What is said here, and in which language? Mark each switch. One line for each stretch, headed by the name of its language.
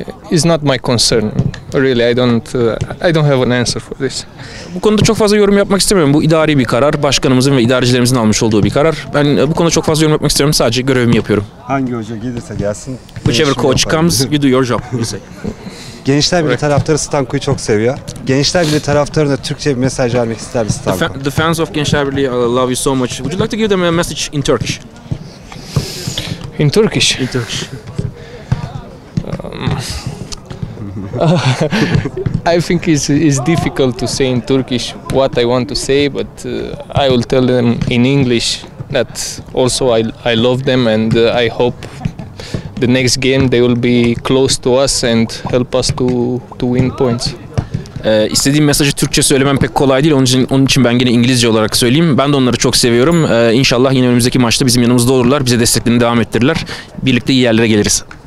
English: It's not my concern. Really, I don't have an answer for this.
Turkish: Bu konuda çok fazla yorum yapmak istemiyorum. Bu idari bir karar. Başkanımızın ve idarecilerimizin almış olduğu bir karar. Ben bu konuda çok fazla yorum yapmak istemiyorum. Sadece görevimi yaparım. Hangi hoca gelirse gelsin.
English: Whichever coach comes, you do your job, you say.
Turkish: Gençler Birliği taraftarı Stanko'yu çok seviyor. Gençler Birliği taraftarına Türkçe bir mesaj vermek ister mi Stanko?
English: The fans of Gençler Birliği love you so much. Would you like to give them a message in Turkish? In Turkish? In Turkish. I think it's difficult to say in Turkish what I want to say, but I will tell them in English that also I love them and I hope the next game they will be close to us and help us to win points.
Turkish: İstediğim mesajı Türkçe söylemem pek kolay değil. Onun için ben yine İngilizce olarak söyleyeyim. Ben de onları çok seviyorum. İnşallah yine önümüzdeki maçta bizim yanımızda olurlar. Bize desteklerini devam ettirirler. Birlikte iyi yerlere geliriz.